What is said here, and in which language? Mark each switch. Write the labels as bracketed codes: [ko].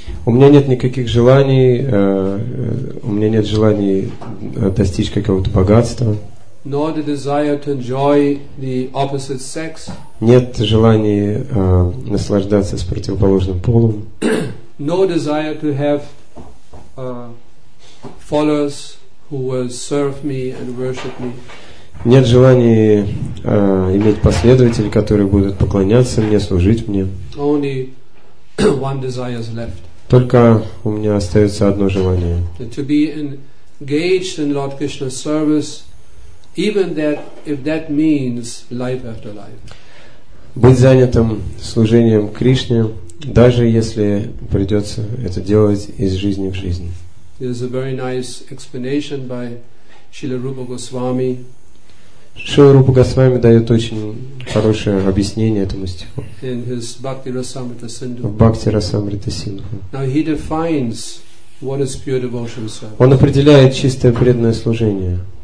[ru] У меня нет никаких желаний, у меня нет желаний достичь какого-то богатства. [en] Nor the desire to enjoy the opposite sex. [ru] Нет желаний наслаждаться с противоположным полом. [en] No desire to have followers who will serve me and worship me. [ru] Нет желаний иметь последователей, которые будут поклоняться мне, служить мне. [en] Only one desire is left. [ru] Только у меня остается одно желание. [en] To be engaged in Lord Krishna's service, even that if that means life after life. [ru] Быть занятым служением Кришне, даже если придется это делать из жизни в жизнь. [en] There is a very nice explanation by Srila Rupa Goswami. [ru] Шрила Рупа Госвами дает очень хорошее объяснение этому стиху. [en] In his Bhakti-rasamrita Sindhu. [ru] В Бхакти-расамрита Синдху. [en] Now he defines what is pure devotion service. [ru] Он определяет чистое преданное служение.